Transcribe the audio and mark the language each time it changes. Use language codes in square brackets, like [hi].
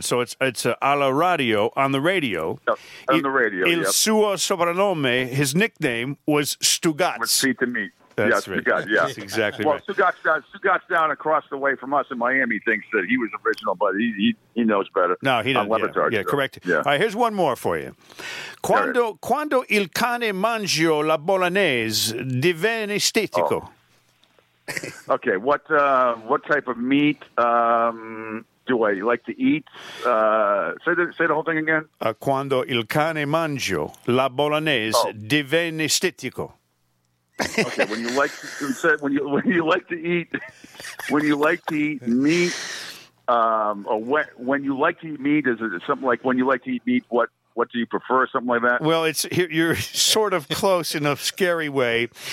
[en] So it's [it] alla radio, [en] on the radio. Yep. On the radio. [it] Il suo soprannome, [en] his nickname was Stugatz. Which feet to meat. That's right. Yeah, exactly. Well, right. Stugatz down across the way from us in Miami thinks that he was original, but he knows better. No, he doesn't. Correct. Yeah. All right, here's one more for you. [it] Quando il cane mangio la bolognese divenne estetico. [en] Oh. Okay. What type of meat do I like to eat? Say the whole thing again. [it] Quando il cane mangio la bolognese divenne estetico. [en] Okay, when you like to eat meat, when you like to eat meat, is it something like when you like to eat meat? What do you prefer? Something like that. Well, it's you're sort of close in a scary way.